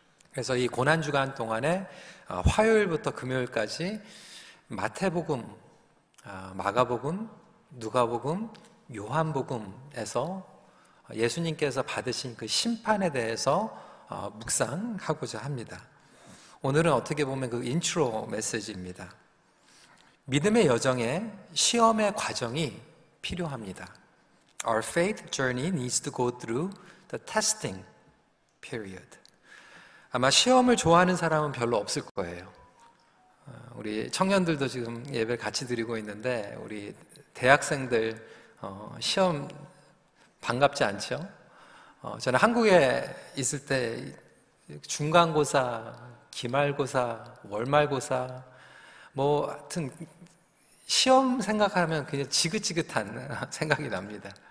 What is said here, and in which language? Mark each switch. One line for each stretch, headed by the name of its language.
Korean: 그래서 이 고난주간 동안에 화요일부터 금요일까지 마태복음, 마가복음, 누가복음, 요한복음에서 예수님께서 받으신 그 심판에 대해서 묵상하고자 합니다. 오늘은 어떻게 보면 그 인트로 메시지입니다. 믿음의 여정에 시험의 과정이 필요합니다.
English: Our faith journey needs to go through the testing period.
Korean: 아마 시험을 좋아하는 사람은 별로 없을 거예요. 우리 청년들도 지금 예배 같이 드리고 있는데 우리 대학생들 시험 반갑지 않죠? 저는 한국에 있을 때 중간고사, 기말고사, 월말고사, 뭐 하여튼 시험 생각하면 그냥 지긋지긋한 생각이 납니다.